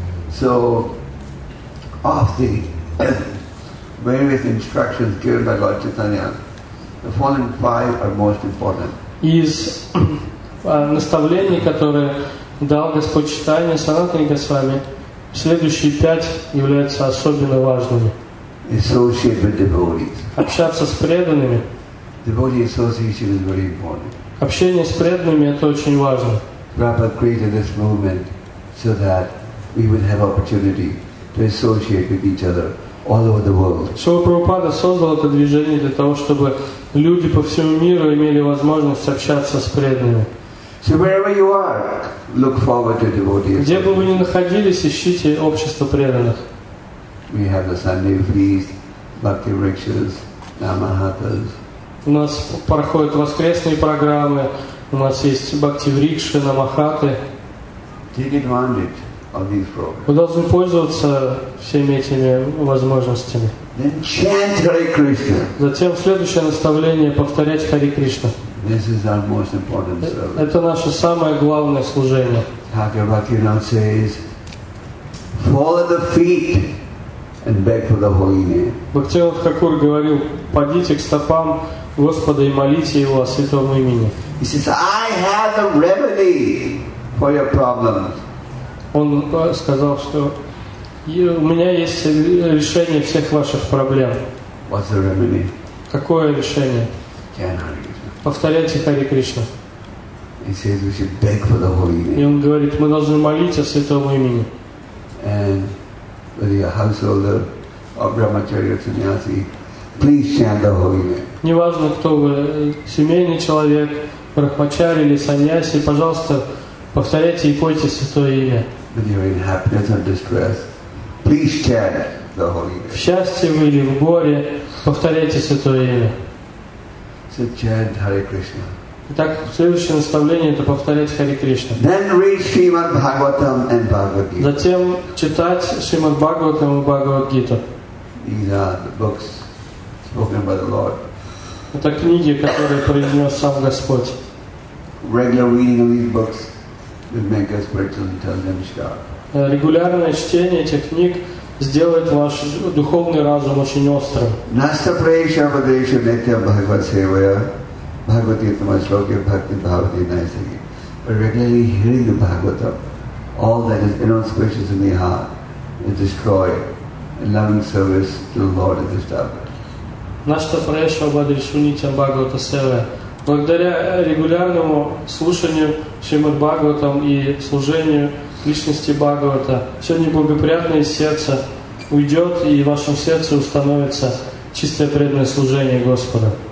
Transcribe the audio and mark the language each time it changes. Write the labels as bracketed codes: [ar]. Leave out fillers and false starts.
[en] So, of the various instructions given by Lord Chaitanya, the following five are most important. [ru] Из наставлений, которые дал Господь Чайтанья Санатане Госвами, следующие пять являются особенно важными. [en] Associate with devotees. [ru] Общаться с преданными. [en] Devotee association is very important. [ru] Общение с преданными — это очень важно. [en] Prabhupada created this movement so that we would have opportunity to associate with each other all over the world. [ru] Шрила Прабхупада создал это движение для того, чтобы люди по всему миру имели возможность общаться с преданными. [en] So wherever you are, look forward to devotees. [ru] Где бы вы ни находились, ищите общество преданных. [en] We have the Sunday feast, Bhakti Rikshas, Namahatas. [ru] У нас проходят воскресные программы, у нас есть бхакти-врикши, намахаты. [en] Take advantage of these programs. [ru] Вы должны пользоваться всеми этими возможностями. [en] Then chant Hare Krishna. [ru] Затем следующее наставление – повторять Хари Кришна. [en] This is our most important service. [ru] Это наше самое главное служение. [en] Thakur Bhaktivinoda says, fall at the feet and beg for the holy name. [ru] Бхактивинода Хакур говорил, падите к стопам Господа и молите Его о Святом имени. [en] He says, I have the remedy for your problems. [ru] Он сказал, что у меня есть решение всех ваших проблем. [en] What's the remedy? [ru] Какое решение? Повторяйте Хари Кришна. [en] He says, we should beg for the holy name. [ru] И он говорит, мы должны молить о Святом имени. [en] And with your householder or brahmacharya sannyasi, please chant the holy name. [ru] Неважно, кто вы, семейный человек, брахмачари или саньяси, пожалуйста, повторяйте и пойте Святое имя. [en] When you're in happiness or distress, please chant the holy name. [ru] В счастье вы или в горе, повторяйте Святое имя. [en] So chant Hare Krishna. [ru] Итак, следующее наставление – это повторять Хари Кришна. [en] Then read Srimad Bhagavatam and Bhagavad Gita. [ru] Затем читать Srimad Bhagavatam и Bhagavad Gita. [en] These are the books spoken by the Lord. [ru] Это книги, которые произнес сам Господь. [en] Regular reading of these books will make us spiritual intelligence sharp. [ru] Регулярное чтение этих книг сделает ваш духовный разум очень острым. [sa] Наста прейша вадеша нетя бхагават севая бхагавати тама шлоке бхакти бхавати найсаги. [en] But regularly hearing the Bhagavatam, all that is inauspicious in the heart is destroyed and loving service to the Lord is established. [sa] Нашта прешва бадришунитям Бхагавата Севе. [ru] Благодаря регулярному слушанию Шримад Бхагаватам и служению личности Бхагавата, все неблагоприятное сердце уйдет, и в вашем сердце установится чистое преданное служение Господа.